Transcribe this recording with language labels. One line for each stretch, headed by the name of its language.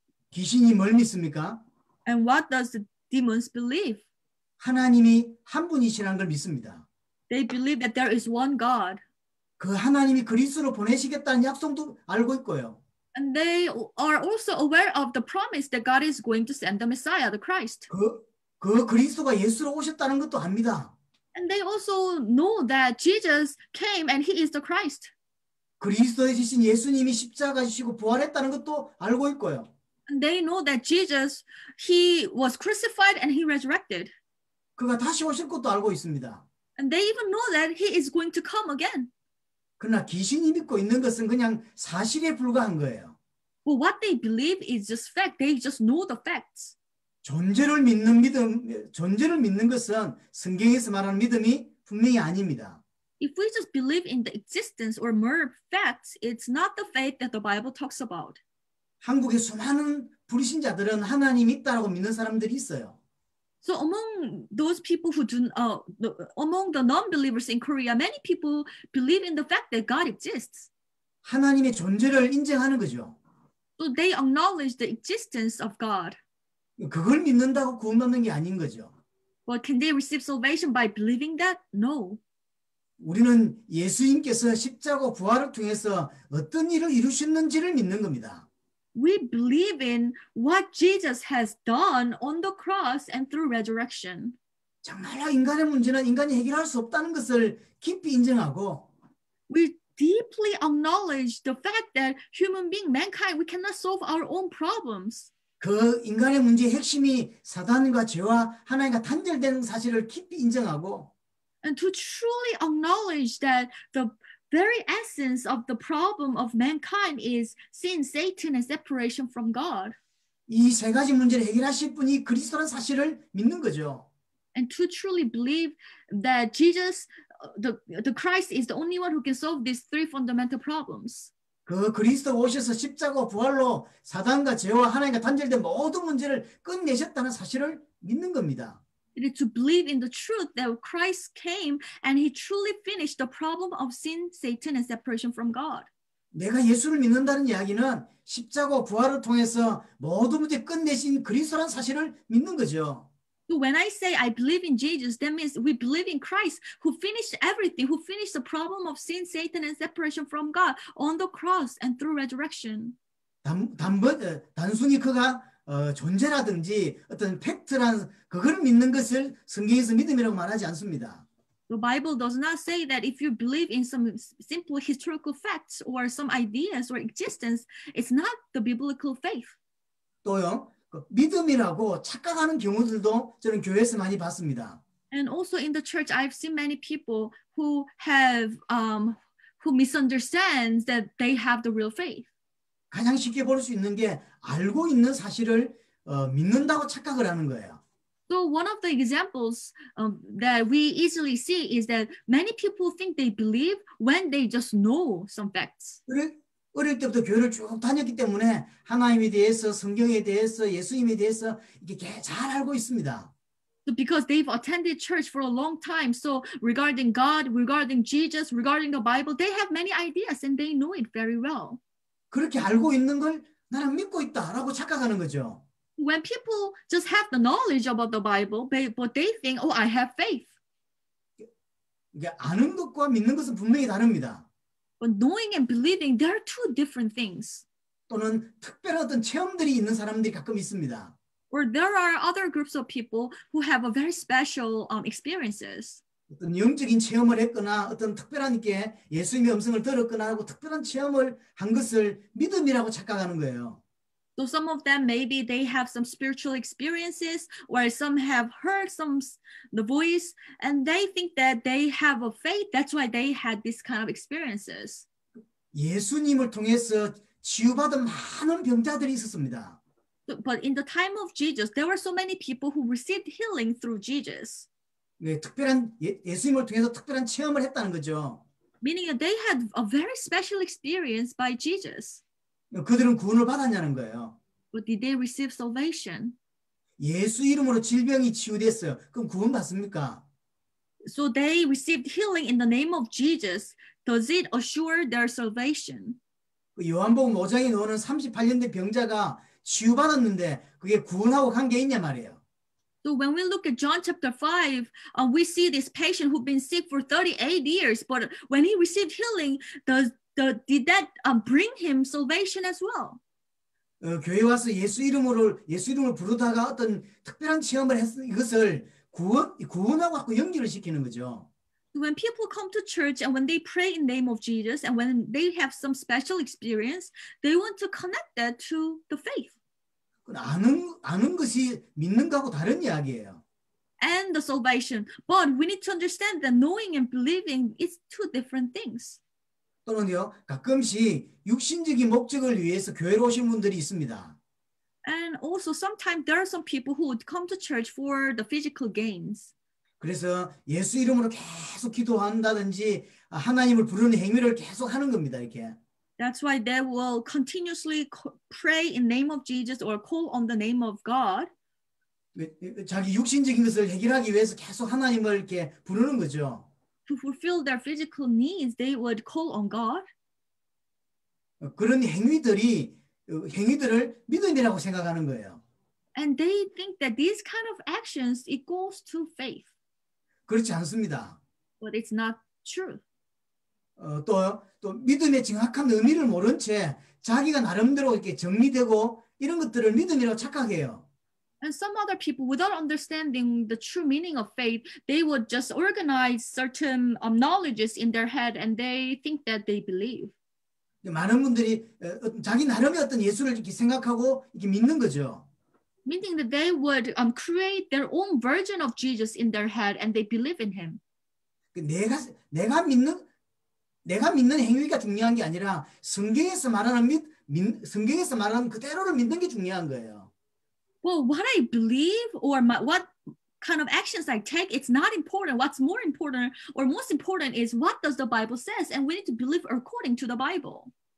Korean: 귀신이 뭘 믿습니까?
English: And what does the demons believe?
Korean: 하나님이 한 분이시라는 걸 믿습니다.
English: They believe that there is one God.
Korean: 그 하나님이 그리스도로 보내시겠다는 약속도 알고 있고요.
English: And they are also aware of the promise that God is going to send the Messiah, the Christ.
Korean: 그 그리스도가 예수로 오셨다는 것도 압니다.
English: And they also know that Jesus came and he is the Christ.
Korean: 그리스도이신 예수님이 십자가 지시고 부활했다는 것도 알고 있고요.
English: And they know that Jesus, he was crucified and he resurrected.
Korean: 그가 다시 오실 것도 알고 있습니다.
English: And they even know that he is going to come again.
Korean: 그러나 귀신이 믿고 있는 것은 그냥 사실에 불과한 거예요.
English: Well, what they believe is just fact. They just know the facts.
Korean: 존재를 믿는 것은 성경에서 말하는 믿음이 분명히 아닙니다.
English: If we just believe in the existence or mere facts, it's not the faith that the Bible talks about.
Korean: 한국의 수많은 불신자들은 하나님 있다라고 믿는 사람들이 있어요.
English: So among those people who do among the non-believers in Korea, many people believe in the fact that God exists.
Korean: 하나님의 존재를 인정하는 거죠.
English: So they acknowledge the existence of God.
Korean: 그걸 믿는다고 구원받는 게 아닌 거죠.
English: But can they receive salvation by believing that? No.
Korean: 우리는 예수님께서 십자가 부활을 통해서 어떤 일을 이루셨는지를 믿는 겁니다.
English: We believe in what Jesus has done on the cross and through resurrection.
Korean: 정말로 인간의 문제는 인간이 해결할 수 없다는 것을 깊이 인정하고
English: We deeply acknowledge the fact that human being, mankind, we cannot solve our own problems.
Korean: 그 인간의 문제의 핵심이 사단과 죄와 하나님과 단절되는 사실을 깊이 인정하고
English: And to truly acknowledge that the very essence of the problem of mankind is sin, Satan, and separation from God.
Korean: 이 세 가지 문제를 해결하실 분이 그리스도라는 사실을 믿는 거죠.
English: And to truly believe that Jesus, the Christ is the only one who can solve these three fundamental problems.
Korean: 그 그리스도 오셔서 십자가 부활로 사단과 죄와 하나님과 단절된 모든 문제를 끝내셨다는 사실을 믿는 겁니다.
English: It is to believe in the truth that Christ came and he truly finished the problem of sin, Satan, and separation from God.
Korean: 내가 예수를 믿는다는 이야기는 십자가 부활을 통해서 모든 문제 끝내신 그리스도라는 사실을 믿는 거죠.
English: So when I say I believe in Jesus, that means we believe in Christ who finished everything, who finished the problem of sin, Satan, and separation from God on the cross and through resurrection.
Korean: 단순히 그가 존재라든지 어떤 팩트란 그걸 믿는 것을 성경에서 믿음이라고 말하지 않습니다.
English: The Bible does not say that if you believe in some simple historical facts or some ideas or existence, it's not the biblical faith.
Korean: 또요, 믿음이라고 착각하는 경우들도 저는 교회에서 많이 봤습니다.
English: And also in the church, I've seen many people who have who misunderstand that they have the real faith.
Korean: 가장 쉽게 볼 수 있는 게 알고 있는 사실을 믿는다고 착각을 하는 거예요.
English: So one of the examples that we easily see is that many people think they believe when they just know some facts.
Korean: 어릴 때부터 교회를 쭉 다녔기 때문에 하나님에 대해서, 성경에 대해서, 예수님에 대해서 이게 잘 알고 있습니다.
English: So because they've attended church for a long time, so regarding God, regarding Jesus, regarding the Bible, they have many ideas and they know it very well.
Korean: 그렇게 알고 있는 걸 나는 믿고 있다라고 착각하는 거죠.
English: When people just have the knowledge about the Bible, but they think, oh, I have faith.
Korean: 이게 아는 것과 믿는 것은 분명히 다릅니다.
English: But knowing and believing, they are two different things.
Korean: 또는 특별한 어떤 체험들이 있는 사람들이 가끔 있습니다.
English: Or there are other groups of people who have a very special experiences.
Korean: 어떤 영적인 체험을 했거나 어떤 특별한 게 예수님의 음성을 들었거나 하고 특별한 체험을 한 것을 믿음이라고 착각하는 거예요.
English: So some of them maybe they have some spiritual experiences or some have heard some the voice and they think that they have a faith. That's why they had this kind of experiences.
Korean: 예수님을 통해서 치유받은 많은 병자들이 있었습니다.
English: But in the time of Jesus, there were so many people who received healing through Jesus.
Korean: 네, 특별한 예수님을 통해서 특별한 체험을 했다는 거죠.
English: Meaning that they had a very special experience by Jesus.
Korean: 그들은 구원을 받았냐는 거예요.
English: But did they receive salvation?
Korean: 예수 이름으로 질병이 치유됐어요. 그럼 구원 받습니까?
English: So they received healing in the name of Jesus. Does it assure their salvation?
Korean: 요한복음 5장에 나오는 38년 된 병자가 치유받았는데 그게 구원하고 관계 있냐 말이에요.
English: So when we look at John chapter 5, we see this patient who'd been sick for 38 years, but when he received healing, did that bring him salvation as well?
Korean: 교회 와서 예수 이름을 부르다가 어떤 특별한 체험을 했 이것을 구원하고 갖고 연결을 시키는 거죠.
English: When people come to church and when they pray in name of Jesus and when they have some special experience, they want to connect that to the faith.
Korean: 아는 것이 믿는 것하고 다른 이야기예요.
English: And the salvation, but we need to understand that knowing and believing is two different things.
Korean: 또는요, 가끔씩 육신적인 목적을 위해서 교회로 오신 분들이 있습니다.
English: And also sometimes there are some people who would come to church for the physical gains.
Korean: 그래서 예수 이름으로 계속 기도한다든지 하나님을 부르는 행위를 계속 하는 겁니다, 이렇게.
English: That's why they will continuously pray in name of Jesus or call on the name of God.
Korean: 자기 육신적인 것을 해결하기 위해서 계속 하나님을 이렇게 부르는 거죠.
English: To fulfill their physical needs, they would call on God.
Korean: 그런 행위들을 믿음이라고 생각하는 거예요.
English: And they think that these kind of actions equals to faith.
Korean: 그렇지 않습니다.
English: But it's not true.
Korean: 또 믿음의 정확한 의미를 모른 채 자기가 나름대로 이렇게 정리되고 이런 것들을 믿음이라고 착각해요.
English: And some other people, without understanding the true meaning of faith, they would just organize certain knowledges in their head, and they think that they believe.
Korean: 많은 분들이 자기 나름의 어떤 예수를 이렇게 생각하고 이렇게 믿는 거죠.
English: Meaning that they would create their own version of Jesus in their head, and they believe in him.
Korean: 내가 믿는 행위가 중요한 게 아니라 성경에서 말하는 그대로를 믿는 게 중요한 거예요.
English: Well, what I believe or what kind of actions I take, it's not important. What's more important or most important is what does the Bible says, and we need to believe according to the Bible.